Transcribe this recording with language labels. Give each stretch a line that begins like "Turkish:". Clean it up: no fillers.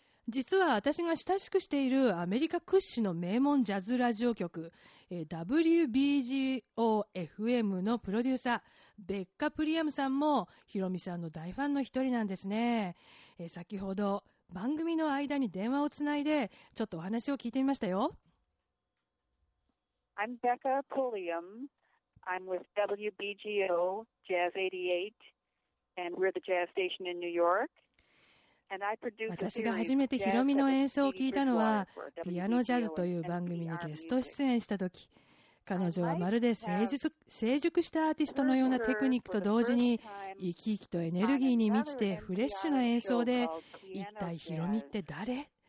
Japanese: 実は私が親しくしているアメリカ屈指の名門ジャズラジオ局、WBGO-FM のプロデューサーベッカ・プリアムさんもヒロミさんの大ファンの一人なんですね。先ほど番組の間に電話をつないでちょっとお話を聞いてみましたよ。
English: I'm Becca Pulliam. I'm with WBGO Jazz 88 and we're the jazz station in New York.
Japanese: 私が初めてヒロミの演奏を聴いたのはピアノジャズという番組にゲスト出演した時。彼女はまるで成熟したアーティストのようなテクニックと同時に生き生きとエネルギーに満ちてフレッシュな演奏で、一体ヒロミって誰？